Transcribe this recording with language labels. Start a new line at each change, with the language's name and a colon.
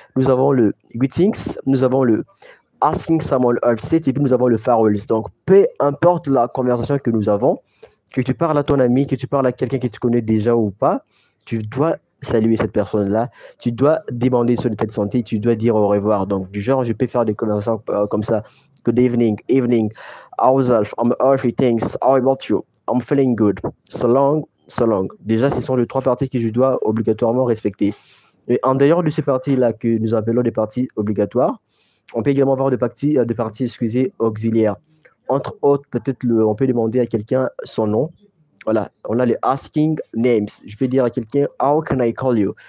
French: Nous avons le greetings, nous avons le
English: asking someone how they are,
French: et puis nous avons le farewells. Donc, peu importe la conversation que nous avons, que tu parles à ton ami, que tu parles à quelqu'un que tu connais déjà ou pas, tu dois saluer cette personne-là, tu dois demander son état de santé, tu dois dire au revoir. Donc, du genre, je peux faire des conversations comme ça.
English: Good evening, evening, how's life, I'm healthy, thanks, how about you, I'm feeling good, so long, so long.
French: Déjà, ce sont les trois parties que je dois obligatoirement respecter. Et en dehors de ces parties-là que nous appelons des parties obligatoires, on peut également avoir des parties, excusez, auxiliaires. Entre autres, peut-être on peut demander à quelqu'un son nom. Voilà, on a les
English: asking names.
French: Je peux dire à quelqu'un,
English: how can I call you?